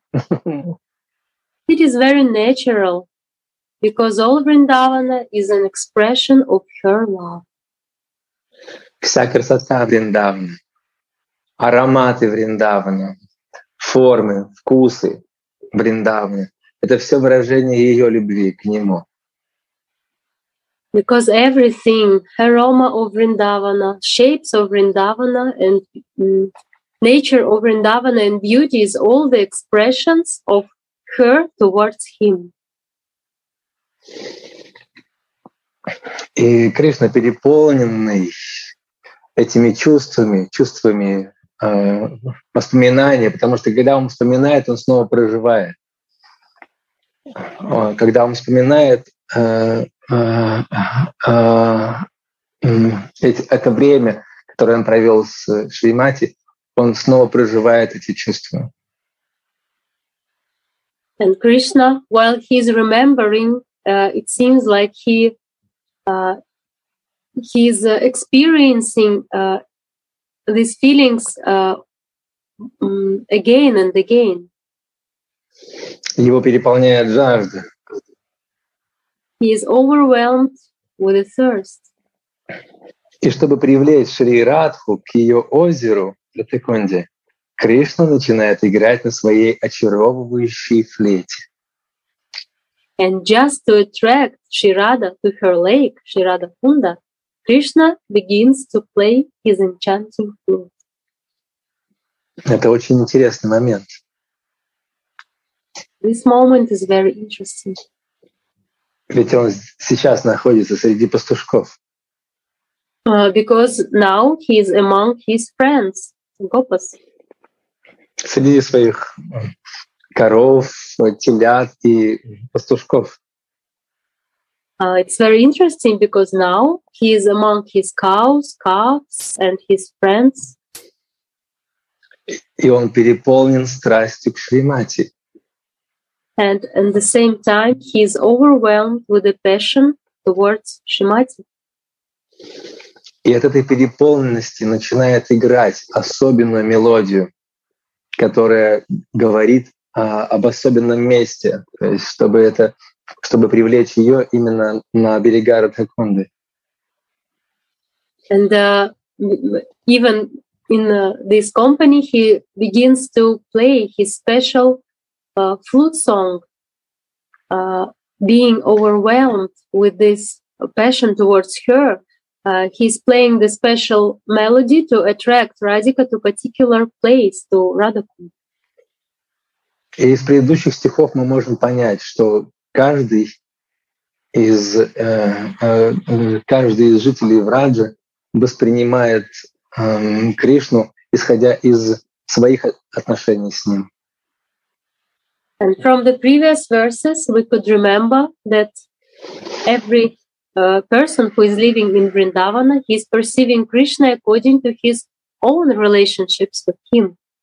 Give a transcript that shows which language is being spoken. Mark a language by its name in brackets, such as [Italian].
[English] It is very natural, because all Vrindavana is an expression of her love. [Russian] Вся красота Вриндавана. Ароматы Вриндавана, формы, вкусы, Бриндавне. Это все выражение ее любви к нему. [English] Because everything, aroma of Vrindavana, shapes of Vrindavana and nature of Vrindavana and beauty is all the expressions of her towards him. [Russian] И Кришна, переполненный этими чувствами, чувствами воспоминания, потому что когда он вспоминает, он снова проживает. Когда он вспоминает это время, которое он провел с Шримати, он снова проживает эти чувства. [English] And Krishna, while he's remembering, it seems like he's experiencing these feelings again and again. [Russian] Его переполняет жажда. [English] He is overwhelmed with a thirst. [Russian] И чтобы привлечь Шри Радху к ее озеру Ратхиконде, Кришна начинает играть на своей очаровывающей флейте. [English] And just to attract Shri Radha to her lake, Shri Radha Kunda, Krishna begins to play his enchanting flute. [Russian] Это очень интересный момент. [English] This moment is very interesting. [Russian] Ведь он сейчас находится среди пастушков. [English] Because now he is among his friends, gopas. [Russian] Среди своих коров, телят и пастушков. [English] It's very interesting because now he is among his cows, calves and his friends. [Russian] И он переполнен страстью к Шримати. [English] And at the same time, he is overwhelmed with a passion towards Shrimati. [Russian] И от этой переполненности начинает играть особенную мелодию, которая говорит об особенном месте, то есть чтобы это, чтобы привлечь ее именно на берега Ратхиконды. [English] And even in this company, he begins to play his special flute song, being overwhelmed with this passion towards her. He's playing the special melody to attract Radhika to a particular place, to Radhakund. [Russian] И из предыдущих стихов мы можем понять, что каждый из жителей Враджа воспринимает Кришну, исходя из своих отношений с ним. [English] And from the previous verses we could remember that every person who is living in Vrindavana, he is perceiving Krishna according to his own relationships with him.